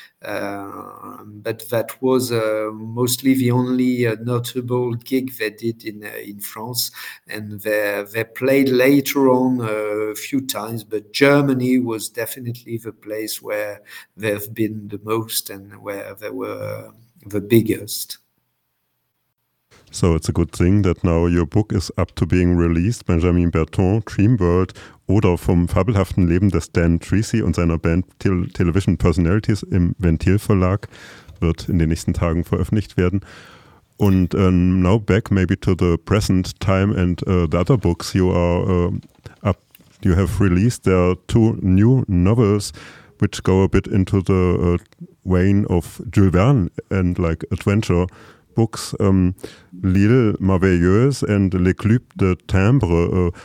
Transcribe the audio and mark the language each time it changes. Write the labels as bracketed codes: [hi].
[en] But that was mostly the only notable gig they did in France, and they played later on a few times, but Germany was definitely the place where they've been the most and where they were the biggest. So it's a good thing that now your book is up to being released. [de] Benjamin Berton, Dreamworld, oder Vom fabelhaften Leben des Dan Treacy und seiner Band Television Personalities im Ventil Verlag wird in den nächsten Tagen veröffentlicht werden. [en] And now back maybe to the present time and the other books you are you have released. There are two new novels which go a bit into the vein of Jules Verne and like adventure books, L'Île Merveilleuse and Les Clubs de Timbre.